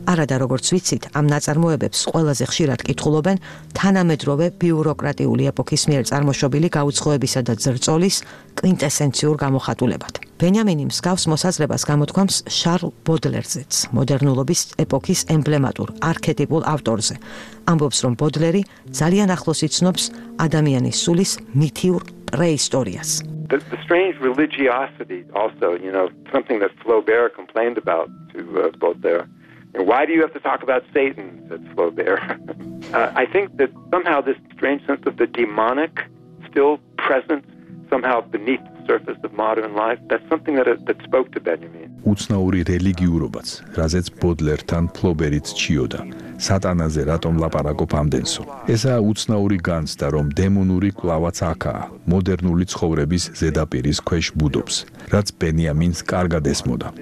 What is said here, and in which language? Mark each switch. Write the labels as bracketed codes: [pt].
[ka] არადა, როგორც ვიცით, ამ ნაწარმოებებს ყველაზე ხშირად კითხულობენ თანამედროვე ბიუროკრატიული ეპოქის მიერ წარმოშობილი გაუცხოებისა და ძრწოლის კვინტესენციურ გამოხატულებად. ბენიამინი მსგავს მოსაზრებას გამოთქვამს შარლ ბოდლერზეც, მოდერნულობის ეპოქის ემბლემატურ არქეტიპულ ავტორზე. ამბობს, რომ ბოდლერი ძალიან ახლოს იცნობს ადამიანის სულის მითიურ პრეისტორიას. [en] The strange religiosity also, you know, something that Flaubert complained about to Baudelaire. And why do you have to talk about Satan, said Flaubert? I think that somehow this strange sense of the demonic still present somehow beneath the surface of modern life, that's something that spoke to Benjamin. [ka] უცნაური რელიგიურობაც, რაზეც ბოდლერთან ფლობერიც ჩიოდა. სატანაზე რატომ ლაპარაკობ ამდენსო? ესაა უცნაური განცდა, რომ დემონური კლავაც აქაა, მოდერნული ცხოვრების ზედაპირის ქვეშ ბუდობს, რაც ბენიამინს კარგად ესმოდა.